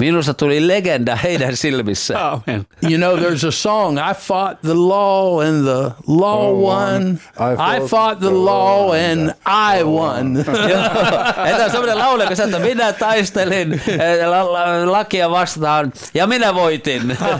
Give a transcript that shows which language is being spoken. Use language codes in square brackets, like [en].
[fi] Minusta tuli legenda heidän silmissä. [en] Oh, man. You know, there's a song, I fought the law and the law won. I fought the law and I won. [fi] Että on semmoinen laulu, kun sä, että minä taistelin lakia vastaan ja minä voitin.